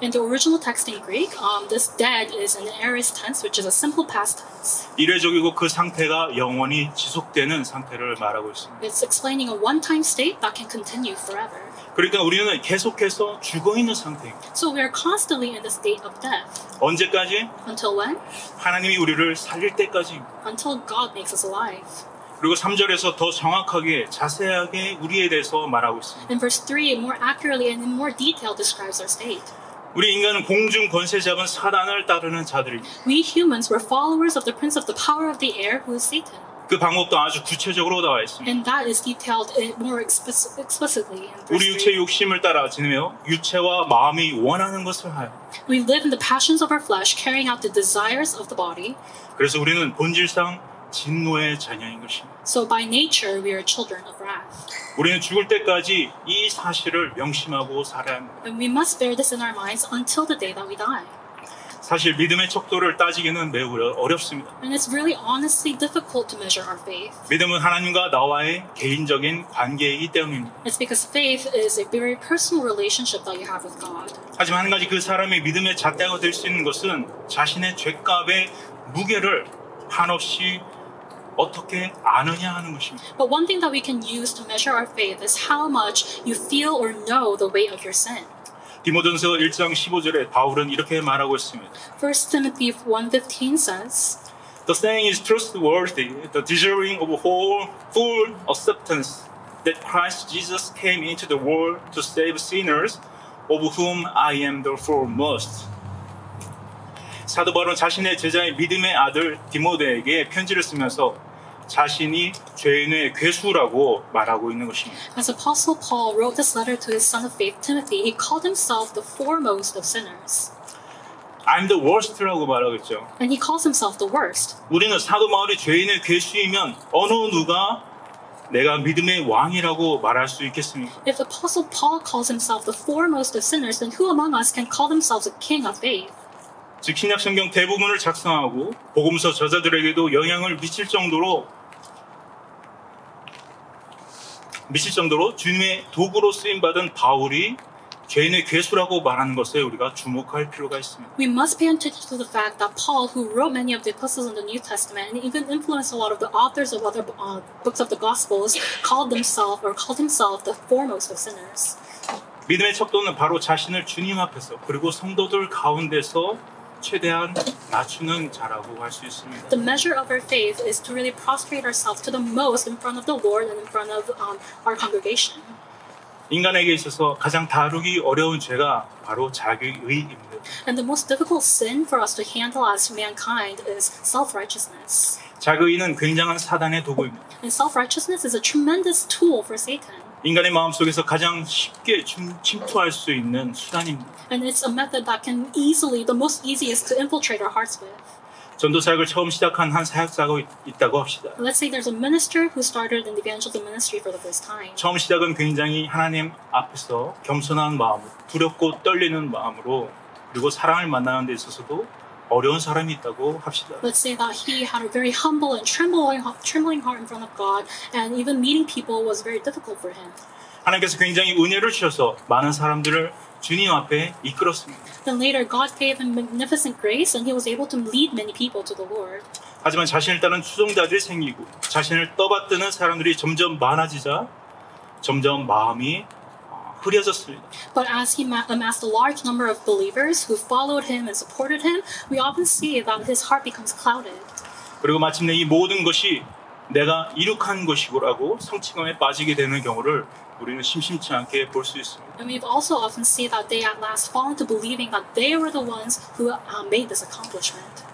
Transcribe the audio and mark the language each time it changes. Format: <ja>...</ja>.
<en>In the original text in Greek, this dead is an aorist tense, which is a simple past tense.</en> <ko>이례적이고 그 상태가 영원히 지속되는 상태를 말하고 있습니다.</ko> <en>It's explaining a one-time state that can continue forever.</en> <ko>그러니까 우리는 계속해서 죽어 있는 상태입니다.</ko> <en>So we are constantly in the state of death.</en> <ko>언제까지?</ko> <en>Until when?</en> <ko>하나님이 우리를 살릴 때까지.</ko> <en>Until God makes us alive.</en> <ko>그리고 3절에서 더 정확하게 자세하게 우리에 대해서 말하고 있습니다.</ko> <en>In verse 3, more accurately and in more detail describes our state.</en> <ko>우리 인간은 공중 권세 잡은 사단을 따르는 자들입니다.</ko> <en>We humans were followers of the prince of the power of the air, who is Satan.</en> <ko>그 방법도 아주 구체적으로 나와 있습니다.</ko> <en>And that is detailed more explicitly in verse 3.</en> <ko>우리 육체의 욕심을 따라 지내며 육체와 마음이 원하는 것을 하여.</ko> <en>We live in the passions of our flesh, carrying out the desires of the body.</en> <ko>그래서 우리는 본질상 진노의 자녀인 것입니다.</ko> <en>So by nature, we are children of wrath.</en> <ko>우리는 죽을 때까지 이 사실을 명심하고 살아야 합니다.</ko> <en>And we must bear this in our minds until the day that we die.</en> <ko>사실 믿음의 척도를 따지기는 매우 어렵습니다.</ko> <en>And it's really honestly difficult to measure our faith.</en> <ko>믿음은 하나님과 나와의 개인적인 관계이기 때문입니다.</ko> <en>It's because faith is a very personal relationship that you have with God.</en> <ko>하지만 한 가지 그 사람이 믿음의 잣대가 될 수 있는 것은 자신의 죄값의 무게를 한없이 어떻게 아느냐 하는 것입니다.</ko> <en>But one thing that we can use to measure our faith is how much you feel or know the weight of your sin.</en> <ko>디모전서 1장 15절에 바울은 이렇게 말하고 있습니다.</ko> <en>1 Timothy 1:15 says, The saying is trustworthy, the deserving of whole, full acceptance that Christ Jesus came into the world to save sinners, of whom I am the foremost.</en> <ko>사도 바울은 자신의 제자의 믿음의 아들 디모데에게 편지를 쓰면서 자신이 죄인의 괴수라고 말하고 있는 것입니다.</ko> <en>As Apostle Paul wrote this letter to his son of faith Timothy, he called himself the foremost of sinners. I'm the worst</en> <ko>라고 말하고 있죠.</ko> <en>And he calls himself the worst.</en> <ko>우리는 사도 바울이 죄인의 괴수이면 어느 누가 내가 믿음의 왕이라고 말할 수 있겠습니까?</ko> <en>If Apostle Paul calls himself the foremost of sinners, then who among us can call themselves a king of faith?</en> <ko>즉 신약성경 대부분을 작성하고 복음서 저자들에게도 영향을 미칠 정도로 주님의 도구로 쓰임 받은 바울이 죄인의 괴수라고 말하는 것에 우리가 주목할 필요가 있습니다.</ko> <en>We must pay attention to the fact that Paul, who wrote many of the epistles in the New Testament and even influenced a lot of the authors of other books of the Gospels, called himself the foremost of sinners.</en> <ko>믿음의 척도는 바로 자신을 주님 앞에서 그리고 성도들 가운데서 최대한 낮추는 자라고 할 수 있습니다.</ko> <en>The measure of our faith is to really prostrate ourselves to the most in front of the Lord and in front of our congregation.</en> <ko>인간에게 있어서 가장 다루기 어려운 죄가 바로 자기의입니다.</ko> <en>And the most difficult sin for us to handle as mankind is self-righteousness.</en> <ko>자기의는 굉장한 사단의 도구입니다.</ko> <en>And self-righteousness is a tremendous tool for Satan.</en> <ko>인간의 마음속에서 가장 쉽게 침투할 수 있는 수단입니다.</ko> <en>And it's a method that can easily, the most easiest to infiltrate our hearts with.</en> <ko>전도 사역을 처음 시작한 한 사역자가 있다고 합시다.</ko> <en>Let's say there's a minister who started in the evangelism ministry for the first time.</en> <ko>처음 시작은 굉장히 하나님 앞에서 겸손한 마음, 두렵고 떨리는 마음으로 그리고 사랑을 만나는 데 있어서도 어려운 사람이 있다고 합시다.</ko> <en>Let's say that he had a very humble and trembling heart in front of God, and even meeting people was very difficult for him.</en> <ko>하나님께서 굉장히 은혜를 주셔서 많은 사람들을 주님 앞에 이끌었습니다.</ko> <en>Then later, God gave him magnificent grace, and he was able to lead many people to the Lord.</en> <ko>하지만 자신을 따른 추종자들이 생기고 자신을 떠받드는 사람들이 점점 많아지자 점점 마음이 흐려졌습니다.</ko> <en>But as he amassed a large number of believers who followed him and supported him, we often see that his heart becomes clouded.</en> <ko>그리고 마침내 이 모든 것이 내가 이룩한 것이고라고 성취감에 빠지게 되는 경우를 우리는 심심치 않게 볼 수 있습니다.</ko> <en>And we've also often see that they at last fall into believing that they were the ones who made this accomplishment.</en>